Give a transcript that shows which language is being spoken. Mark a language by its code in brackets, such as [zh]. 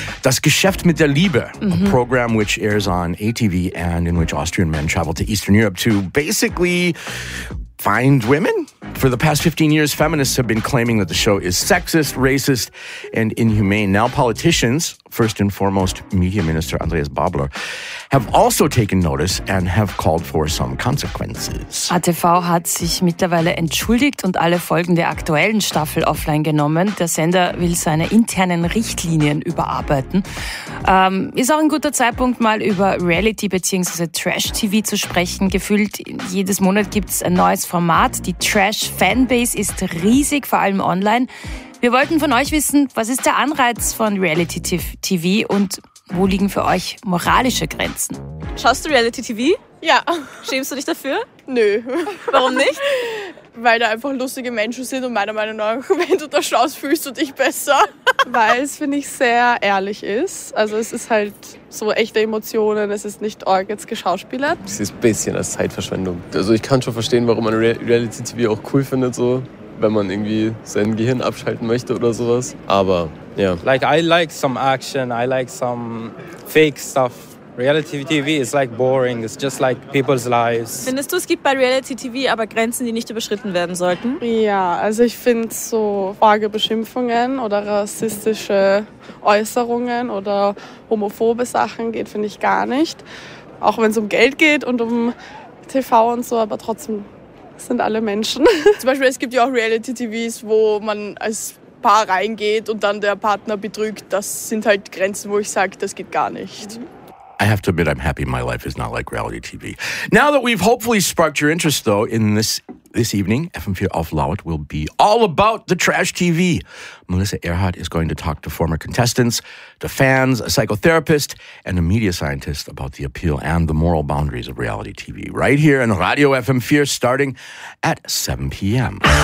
[de] Das Geschäft mit der Liebe, [en] mm-hmm. a program which airs on ATV and in which Austrian men travel to Eastern Europe to basically find women? For the past 15 years, feminists have been claiming that the show is sexist, racist, and inhumane. Now politicians, first and foremost Media Minister Andreas Babler, have also taken notice and have called for some consequences. [de] ATV hat sich mittlerweile entschuldigt und alle Folgen der aktuellen Staffel offline genommen. Der Sender will seine internen Richtlinien überarbeiten. Ist auch ein guter Zeitpunkt, mal über Reality- bzw. Trash-TV zu sprechen. Gefühlt jedes Monat gibt es ein neues Format. Die Trash-Fanbase ist riesig, vor allem online. Wir wollten von euch wissen, was ist der Anreiz von Reality-TV und wo liegen für euch moralische Grenzen? Schaust du Reality-TV? Ja. Schämst du dich dafür? Nö. Warum nicht? Weil da einfach lustige Menschen sind und meiner Meinung nach, wenn du da schaust, fühlst du dich besser. Weil es, finde ich, sehr ehrlich ist. Also es ist halt so echte Emotionen, es ist nicht arg jetzt geschauspielert. Es ist ein bisschen als Zeitverschwendung. Also ich kann schon verstehen, warum man Reality-TV auch cool findet, so, wenn man irgendwie sein Gehirn abschalten möchte oder sowas. Aber, ja. [en] Like, I like some action, I like some fake stuff. Reality TV is like boring, it's just like people's lives. [de] Findest du, es gibt bei Reality TV aber Grenzen, die nicht überschritten werden sollten? Ja, also ich finde so vage Beschimpfungen oder rassistische Äußerungen oder homophobe Sachen geht, finde ich, gar nicht. Auch wenn es um Geld geht und um TV und so, aber trotzdem sind alle Menschen. Zum Beispiel, es gibt ja auch Reality TVs, wo man als Paar reingeht und dann der Partner betrügt. Das sind halt Grenzen, wo ich sage, das geht gar nicht. Mhm. [en] I have to admit, I'm happy my life is not like reality TV. Now that we've hopefully sparked your interest, though, in this evening, FM4 Auf Laut will be all about the trash TV. Melissa Earhart is going to talk to former contestants, to fans, a psychotherapist, and a media scientist about the appeal and the moral boundaries of reality TV right here in Radio FM4 starting at 7 p.m.